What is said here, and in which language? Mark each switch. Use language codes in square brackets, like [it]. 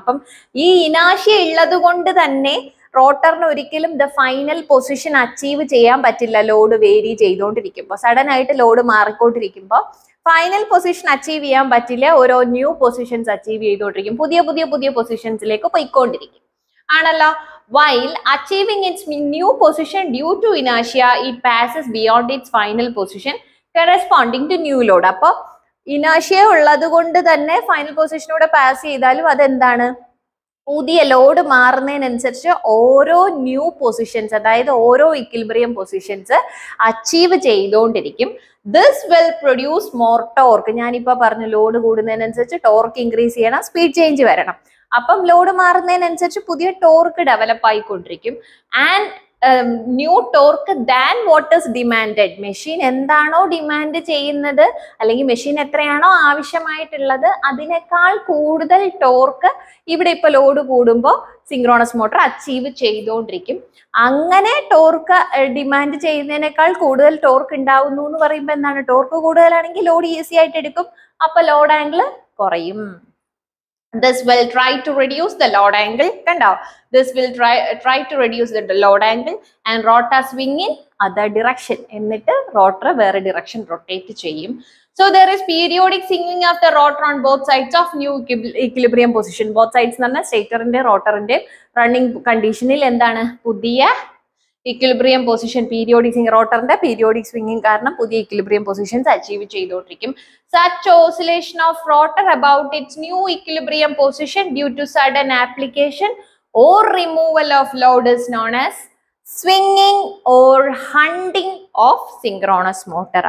[ml] Appo ee inertia illadu kondu thanne റോട്ടറിന് ഒരിക്കലും the final position achieve ചെയ്യാൻ പറ്റില്ല. Load vary ചെയ്തുകൊണ്ടിരിക്കുമ്പോൾ, സഡൻ ആയിട്ട് ലോഡ് മാറിക്കൊണ്ടിരിക്കുമ്പോൾ ഫൈനൽ പൊസിഷൻ അച്ചീവ് ചെയ്യാൻ പറ്റില്ല. ഓരോ ന്യൂ പൊസിഷൻസ് അച്ചീവ് ചെയ്തുകൊണ്ടിരിക്കും, പുതിയ പുതിയ പൊസിഷൻസിലേക്ക് പോയിക്കൊണ്ടിരിക്കും. ആണല്ലോ. [en] While achieving its new position due to inertia, it passes beyond its final position corresponding to new load. [ml] അപ്പൊ ഇനേഷ്യ ഉള്ളത് കൊണ്ട് തന്നെ ഫൈനൽ പൊസിഷനോടെ പാസ് ചെയ്താലും അതെന്താണ്, പുതിയ ലോഡ് മാറുന്നതിനനുസരിച്ച് ഓരോ ന്യൂ പൊസിഷൻസ്, അതായത് ഓരോ ഇക്വിലിബ്രിയം പൊസിഷൻസ് അച്ചീവ് ചെയ്തുകൊണ്ടിരിക്കും. [en] This will produce more torque. [ml] ഞാനിപ്പോ പറഞ്ഞു ലോഡ് കൂടുന്നതിനനുസരിച്ച് ടോർക്ക് ഇൻക്രീസ് ചെയ്യണം, സ്പീഡ് ചേഞ്ച് വരണം. അപ്പം ലോഡ് മാറുന്നതിനനുസരിച്ച് പുതിയ torque develop ആയിക്കൊണ്ടിരിക്കും. [en] And new torque than what is demand. [ml] Machine എന്താണോ ഡിമാൻഡ് ചെയ്യുന്നത്, അല്ലെങ്കിൽ മെഷീൻ എത്രയാണോ ആവശ്യമായിട്ടുള്ളത്, അതിനേക്കാൾ കൂടുതൽ ടോർക്ക് ഇവിടെ ഇപ്പൊ ലോഡ് കൂടുമ്പോൾ സിങ്ക്രോണസ് മോട്ടർ അച്ചീവ് ചെയ്തുകൊണ്ടിരിക്കും. അങ്ങനെ ടോർക്ക് ഡിമാൻഡ് ചെയ്യുന്നതിനേക്കാൾ കൂടുതൽ ടോർക്ക് ഉണ്ടാവുന്നു എന്ന് പറയുമ്പോൾ എന്താണ്, ടോർക്ക് കൂടുതലാണെങ്കിൽ ലോഡ് ഈസി ആയിട്ട് എടുക്കും, അപ്പൊ ലോഡ് ആംഗിൾ കുറയും. [en] This will try to reduce the load angle. കണ്ടോ, this will try to reduce the load angle and rotor swing in other direction. [ml] എന്നിട്ട് rotor വേറെ direction rotate ചെയ്യും. [en] So there is periodic swinging of the rotor on both sides of new equilibrium position. [ml] Both sides എന്ന് പറഞ്ഞാൽ സ്റ്റേറ്ററിന്റെ റോട്ടറിന്റെ running കണ്ടീഷനിൽ എന്താണ് പുതിയ equilibrium position, periodic swing, റോട്ടറിന്റെ periodic swinging കാരണം പുതിയ ഇക്വിലിബ്രിയം പൊസിഷൻസ് അച്ചീവ് ചെയ്തുകൊണ്ടിരിക്കും. [en] Such oscillation of rotor about its new equilibrium position due to sudden application or removal of load is known as swinging or hunting of synchronous motor.